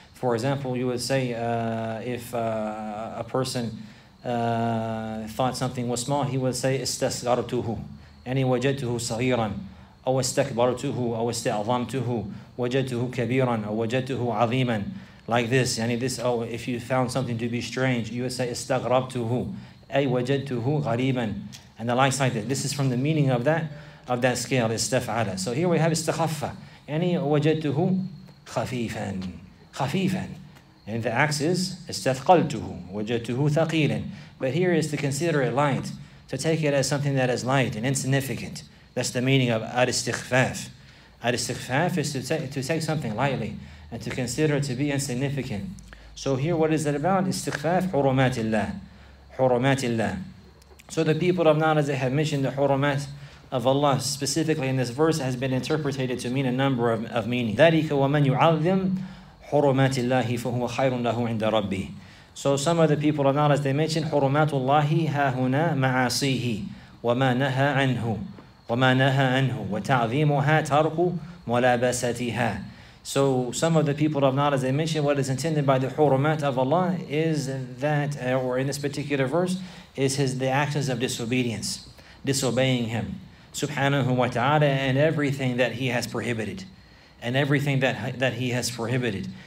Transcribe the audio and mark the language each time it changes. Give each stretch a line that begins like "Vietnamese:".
English: For example, you would say if a person thought something was small, he would say استصغرته.
Arabic: Any وجدته صغيرا أو استكبرته أو استعظمته وجدته كبيرا أو وجدته عظيما.
English: Like this, يعني this. Oh, if you found something to be strange, you would say استغربته.
Arabic: أي وجدته غريبا.
English: And the likes like that. This is from the meaning of that scale, استفعل. So here we have استخفة.
Arabic: يعني وجدته خفيفا. خفيفا.
English: And the axe is استثقلته.
Arabic: وجدته ثقيلا.
English: But here is to consider it light. To take it as something that is light and insignificant. That's the meaning of al-istighfaf. Al-istighfaf is to take something lightly and to consider it to be insignificant. So here, what is it about? Istighfaf, hurumatillah. Hurumatillah. So the people of knowledge, they have mentioned the hurumat of Allah specifically in this verse has been interpreted to mean a number of meanings.
Arabic: ذَلِكَ وَمَنْ يُعَظِّمْ حُرُمَاتِ اللَّهِ فَهُوَ خَيْرٌ لَهُ عِنْدَ رَبِّهِ.
English: So some of the people of knowledge, they mention
Arabic: حُرُمَاتُ اللَّهِ هَا هُنَا مَعَاصِيهِ وَمَا نَهَا عَنْهُ وَمَا نَهَا عَنْهُ وَتَعْظِيمُهَا تَرْكُ مُلَابَسَتِهَا.
English: So some of the people of knowledge, they mention what is intended by the حُرُمَات of Allah is that, or in this particular verse, is his the actions of disobedience, disobeying him, subhanahu wa ta'ala, and everything that he has prohibited, and everything that he has prohibited.